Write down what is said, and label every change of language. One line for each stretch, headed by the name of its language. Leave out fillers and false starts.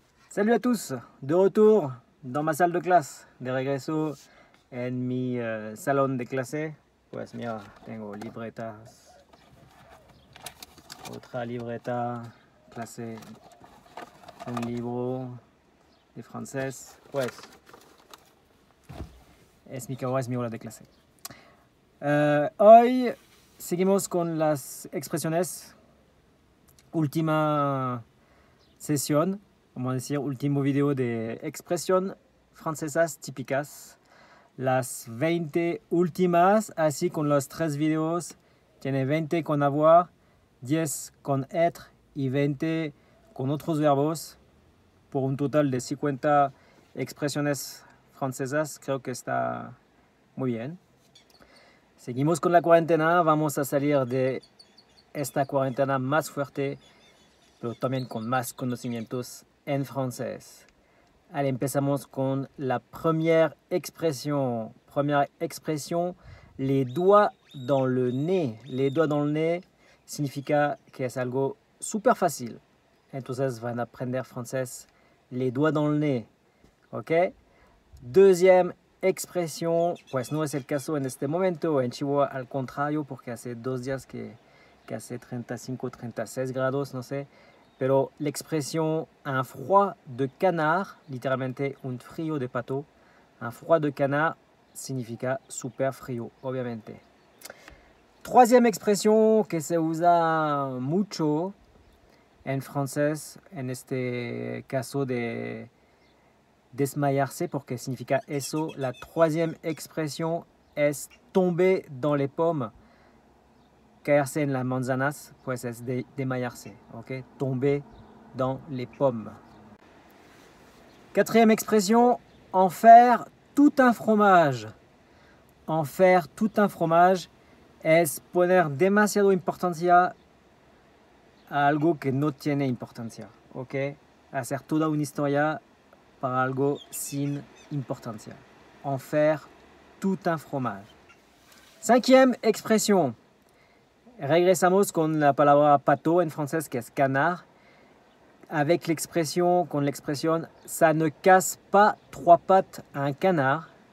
French: Salut à tous, de retour dans ma salle de classe,
Spanish: de regreso en mi salón de clase. Pues mira, tengo libretas, otra libreta, clase, un libro de francés. Pues, es mi cabo, es mi hora de clase. Hoy seguimos con las expresiones, última sesión. Vamos a decir, último video de expresiones francesas típicas. Las 20 últimas, así con los 3 videos, tiene 20 con avoir, 10 con être y 20 con otros verbos. Por un total de 50 expresiones francesas, creo que está muy bien. Seguimos con la cuarentena, vamos a salir de esta cuarentena más fuerte, pero también con más conocimientos en francés. Allez, empezamos con la
French: première expression. Première expression, les doigts dans le nez. Les doigts dans le nez
Spanish: significa que es algo super facile. Entonces van a aprender francés
French: les doigts dans le nez.
Spanish: Ok?
French: Deuxième expression,
Spanish: pues no es el caso en este momento. En Chihuahua, al contrario, porque hace dos días que hace 35 o 36 grados, no sé. Pero
French: l'expression un froid de canard, littéralement
Spanish: un frío de pato,
French: un froid de canard
Spanish: significa super frío, obviamente.
French: Troisième expression
Spanish: que se usa mucho en francés, en este caso de desmayarse, porque significa eso.
French: La troisième expression es tomber dans les pommes.
Spanish: Caerse en las manzanas, pues es desmayarse, ok?
French: Tomber dans les pommes. Quatrième expression, en faire tout un fromage. En faire tout un fromage
Spanish: es poner demasiado importancia a algo que no tiene importancia, ok? Hacer toda una historia para algo sin importancia.
French: En faire tout un fromage. Cinquième expression,
Spanish: regresamos con la palabra pato en francés, que es canard,
French: avec l'expression,
Spanish: con la expresión
French: ça ne casse pas trois pattes à un canard.